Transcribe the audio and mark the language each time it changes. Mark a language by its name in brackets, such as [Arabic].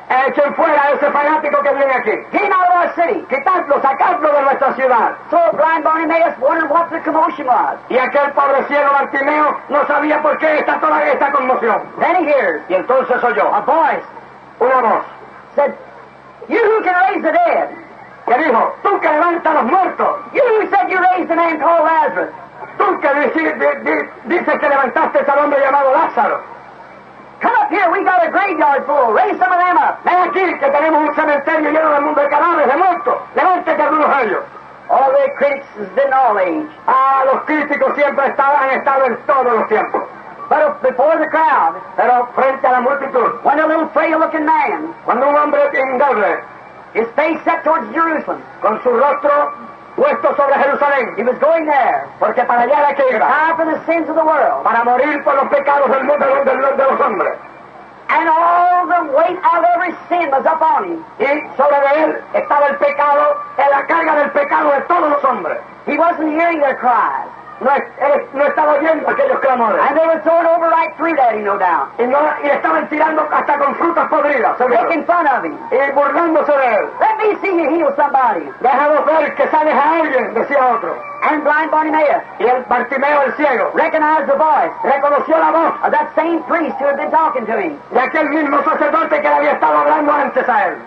[Spanish] Echen fuera a ese fanático que viene aquí. [English] Get out of our city. [Spanish] Quitadlo, sacadlo de nuestra ciudad. [English] So blind Bartimaeus wondered what the commotion was. [Spanish] Y aquel pobre ciego Bartimeo no sabía por qué está toda esta conmoción. [English] Then he hears, [Spanish] y entonces oyó, [English] a voice, [Spanish] una voz, [English] said, you who can raise the dead. [Spanish] Que dijo, tú que levantas los muertos. [English] You who said you raised the man called Lazarus. [Spanish] Tú que dices que levantaste al hombre llamado Lázaro. [English] Come up here, we got a graveyard full. Raise some of them up. [Spanish] Ven aquí, que tenemos un cementerio lleno del mundo de cadáveres, de muertos. Levántate algunos de ellos. [English] All the critics has been all age. [Spanish] Ah, los críticos siempre han estado en todos los tiempos. [English] But before the crowd, [Spanish] pero frente a la multitud, [English] when a little frail looking man, [Spanish] cuando un hombre indoble, [English] his face set towards Jerusalem, [Spanish] con su rostro puesto sobre Jerusalén, [English] he was going there, [Spanish] porque para allá era que iba, [English] die for the sins of the world, [Spanish] para morir por los pecados del mundo de los hombres. [English] And all the weight of every sin was upon him. [Spanish] Y sobre él estaba el pecado, la carga del pecado de todos los hombres. [English] He wasn't hearing their cries. [Spanish] No estaba oyendo aquellos clamores. [English] And they were throwing over right through that, no doubt. [Spanish] Y estaban tirando hasta con frutas podridas. [English] Making fun of him. [Spanish] Y burlándose de él. [English] Let me see you heal somebody. [Spanish] Déjalo ver que sales a alguien, decía otro. [English] And blind Bartimaeus. [Spanish] Y el Bartimeo el ciego. [English] Recognized the voice. [Spanish] Reconoció la voz. [English] Of that same priest who had been talking to him. [Spanish] De aquel mismo sacerdote que le había estado hablando antes a él.